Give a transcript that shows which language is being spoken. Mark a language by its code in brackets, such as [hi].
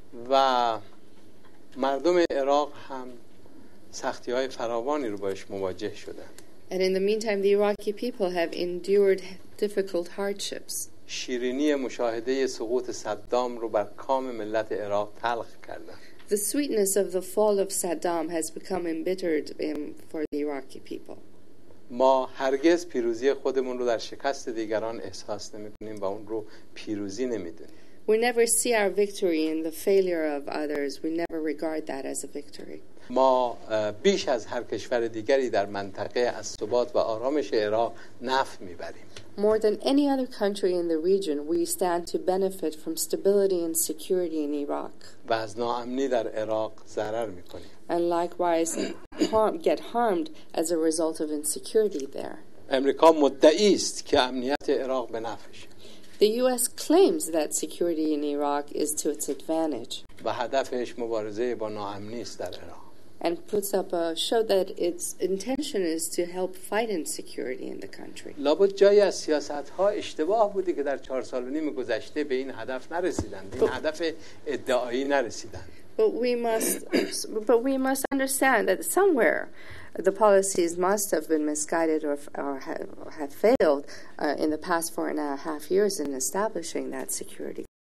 [fa] و مردم عراق هم سختی‌های فراوانی رو باهاش مواجه شدند. [en] And in the meantime, the Iraqi people have endured difficult hardships. [fa] شیرینی مشاهده سقوط صدام رو بر کام ملت عراق تلخ کردند. [en] The sweetness of the fall of Saddam has become embittered for the Iraqi people. [fa] ما هرگز پیروزی خودمون رو در شکست دیگران احساس نمی‌کنیم و اون رو پیروزی نمی‌دونیم. [en] We never see our victory in the failure of others. We never regard that as a victory. [fa] ما بیش از هر کشور دیگری در منطقه از ثبات و آرامش عراق نفع می‌بریم. [en] More than any other country in the region, we stand to benefit from stability and security in Iraq. [fa] و از ناامنی در عراق ضرر می‌کنیم. [en] And likewise, get harmed as a result of insecurity there. [fa] آمریکا مدعی است که امنیت عراق به نفعشه. [en] The U.S. claims that security in Iraq is to its advantage. [fa] و هدفش مبارزه با ناامنی است در ایران. [en] And puts up a show that its intention is to help fight insecurity in the country. [fa] لابد جایی از سیاست‌ها اشتباه بوده که در 4 سال و نیم گذشته به این هدف نرسیدند. به این هدف ادعایی نرسیدند. [en] But we must understand that somewhere the policies must have been misguided or have failed in the past 4.5 years in establishing that security